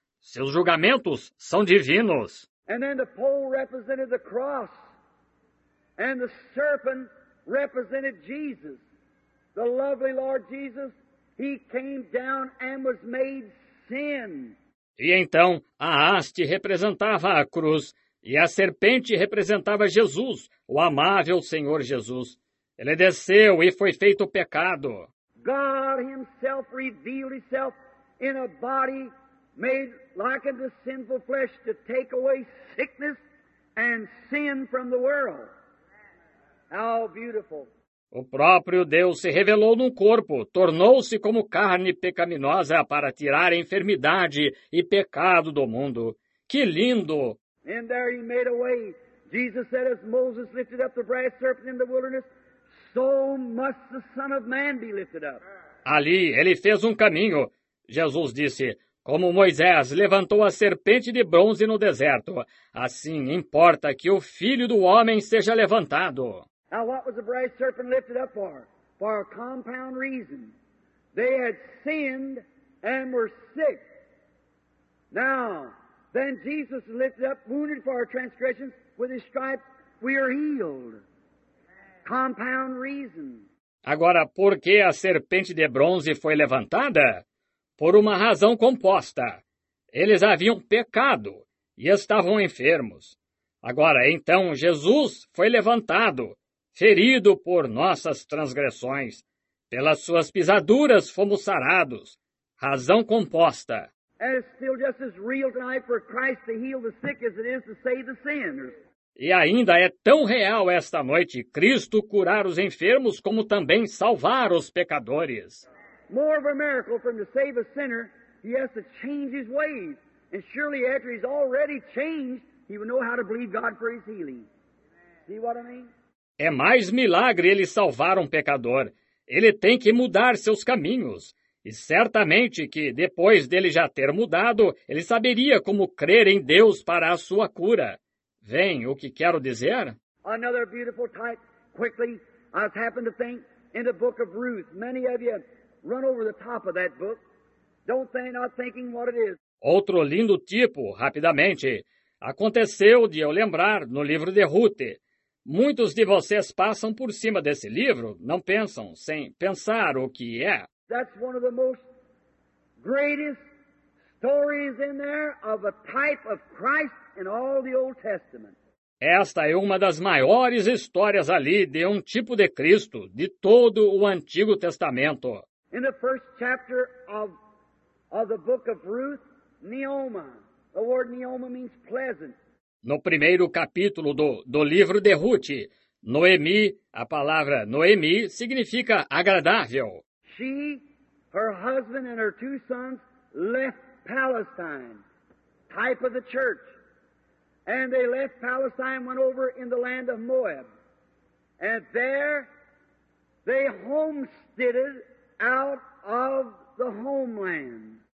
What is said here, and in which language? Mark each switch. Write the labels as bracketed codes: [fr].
[pt] Seus julgamentos são divinos. [en] And then the pole represented the cross, and the serpent represented Jesus, the lovely Lord Jesus. He came down and was made sin. [pt] E então, a haste representava a cruz, e a serpente representava Jesus, o amável Senhor Jesus. Ele desceu e foi feito pecado. [en] God himself revealed himself in a body made like unto sinful flesh to take away sickness and sin from the world. How beautiful! [pt] O próprio Deus se revelou num corpo, tornou-se como carne pecaminosa para tirar a enfermidade e pecado do mundo. Que lindo! [en] And there he made a way. Jesus said, as Moses lifted up the brass serpent in the wilderness, so must the Son of Man be lifted up. [pt] Ali ele fez um caminho. Jesus disse, como Moisés levantou a serpente de bronze no deserto, assim importa que o Filho do Homem seja levantado. [en] Now, what was the brass serpent lifted up for? For a compound reason. They had sinned and were sick. Now, then Jesus is lifted up, wounded for our transgressions, with his stripes we are healed. Compound reason. [pt] Agora, por que a serpente de bronze foi levantada? Por uma razão composta. Eles haviam pecado e estavam enfermos. Agora, então, Jesus foi levantado. Ferido por nossas transgressões, pelas suas pisaduras fomos sarados. Razão composta. [en] It's still just as real tonight for Christ to heal the sick as it is to save the sinners. [pt] E ainda é tão real esta noite Cristo curar os enfermos como também salvar os pecadores. [en] More of a miracle from to save a sinner, he has to change his ways. And surely after he's already changed, he will know how to believe God for his healing. See what I mean? [pt] É mais milagre ele salvar um pecador. Ele tem que mudar seus caminhos. E certamente que, depois dele já ter mudado, ele saberia como crer em Deus para a sua cura. Vem, o que quero dizer? [en] Another beautiful type, quickly, I just happened to think, in the book of Ruth, many of you run over the top of that book, don't say not thinking what it is. [pt] Outro lindo tipo, rapidamente, aconteceu de eu lembrar no livro de Ruth. Muitos de vocês passam por cima desse livro, não pensam, sem pensar o que é. [en] That's one of the most greatest stories in there of a type of Christ in all the Old Testament. [pt] Esta é uma das maiores histórias ali de um tipo de Cristo de todo o Antigo Testamento. [en] In the first chapter of the book of Ruth, Naoma. The word Naoma means pleasant. [pt] No primeiro capítulo do livro de Ruth, Noemi, a palavra Noemi significa agradável. [en] She, her husband and her two sons left Palestine, type of the church. And they left Palestine, went over in the land of Moab. And there they homesteaded out of the homeland.